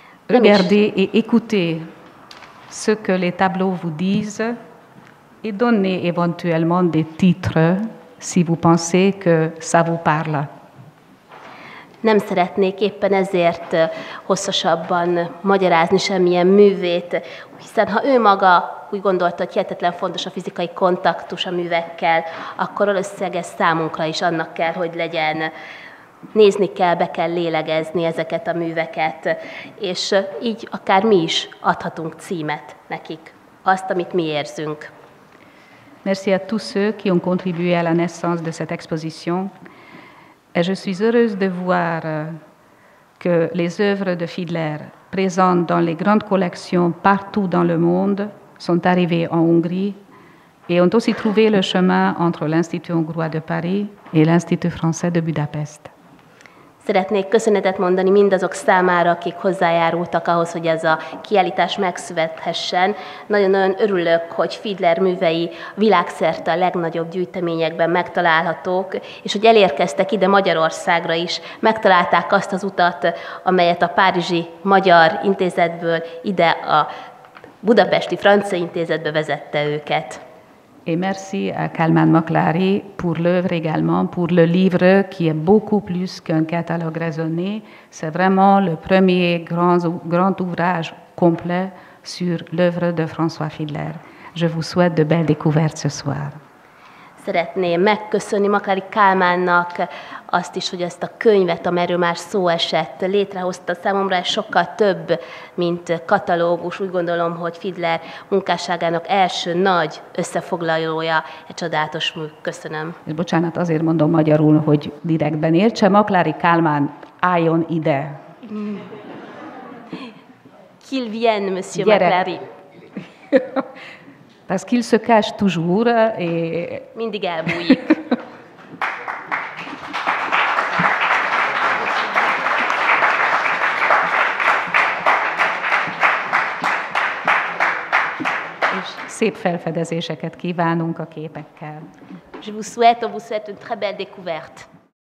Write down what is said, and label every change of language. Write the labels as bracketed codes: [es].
[fr] Regardez et écoutez ce que les tableaux vous disent et donnez éventuellement des titres si vous pensez que ça vous parle. [hu] Nem szeretnék éppen ezért hosszasabban magyarázni semmilyen művét, hiszen ha ő maga úgy gondolta, hogy hihetetlen fontos a fizikai kontaktus a művekkel, akkor valószínűleg ez számunkra is annak kell, hogy legyen. Nézni kell, be kell lélegezni ezeket a műveket, és így akár mi is adhatunk címet nekik, azt, amit mi érzünk. [fr] Merci à tous ceux qui ont contribué à la naissance de cette exposition. Et je suis heureuse de voir que les œuvres de Fiedler, présentes dans les grandes collections partout dans le monde, sont arrivées en Hongrie et ont aussi trouvé le chemin entre l'Institut hongrois de Paris et l'Institut français de Budapest. [hu] Szeretnék köszönetet mondani mindazok számára, akik hozzájárultak ahhoz, hogy ez a kiállítás megszülethessen. Nagyon-nagyon örülök, hogy Fiedler művei világszerte a legnagyobb gyűjteményekben megtalálhatók, és hogy elérkeztek ide Magyarországra is, megtalálták azt az utat, amelyet a Párizsi Magyar Intézetből ide a Budapesti Francia Intézetbe vezette őket. [fr] Et merci à Kálmán Maklári pour l'œuvre également, pour le livre qui est beaucoup plus qu'un catalogue raisonné. C'est vraiment le premier grand ouvrage complet sur l'œuvre de François Fiedler. Je vous souhaite de belles découvertes ce soir. [hu] Szeretném megköszönni Maklári Kálmánnak azt is, hogy ezt a könyvet, amelyről már szó esett, létrehozta. Számomra ez sokkal több, mint katalógus. Úgy gondolom, hogy Fiedler munkásságának első nagy összefoglalója, egy csodálatos mű. Köszönöm. És bocsánat, azért mondom magyarul, hogy direktben értse, Maklári Kálmán, álljon ide. [fr] Qu'il vienne, monsieur Maklári. Parce qu'il se cache toujours et... [hu] Mindig elbújik. És szép felfedezéseket kívánunk a képekkel. [fr] Je vous souhaite une très belle découverte.